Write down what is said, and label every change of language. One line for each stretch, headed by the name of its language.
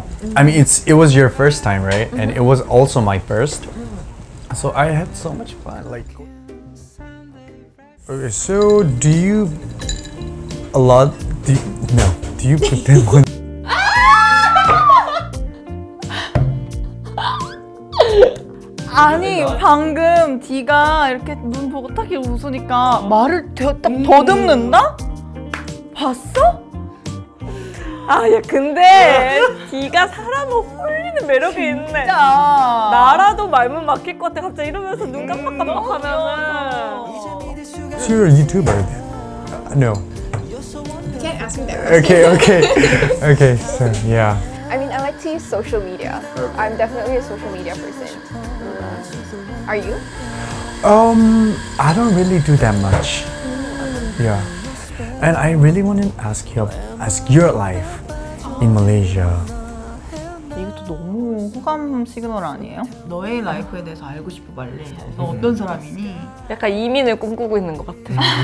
English: Mm-hmm. I mean, it was your first time, right? Mm-hmm. And it was also my first. Mm-hmm. So I had so much fun. Like. Okay. So do you a lot? Do you pretend?
Korean: 아니 방금 디가 이렇게 눈 보고 딱 이렇게 웃으니까 말을 딱 더듬는다? 봤어? 아, 야, 근데 디가 사람을 홀리는 매력이 진짜? 있네. 나라도 말문 막힐 것 같아. 갑자기 이러면서 눈 깜빡깜빡 하면은.
English: So you're a YouTuber then? No. You can't ask me that question. Okay, okay. Okay, so yeah. I mean, I like to use social media. I'm definitely a social media person. Are you? I don't really do that much. Yeah. And I really want to ask you, ask your life in Malaysia.
Korean: 이것도 너무 호감 시그널 아니에요? 너의 라이프에 대해서 알고 싶어 말래. 너 어떤 사람이니? 약간 이민을 꿈꾸고 있는 것 같아.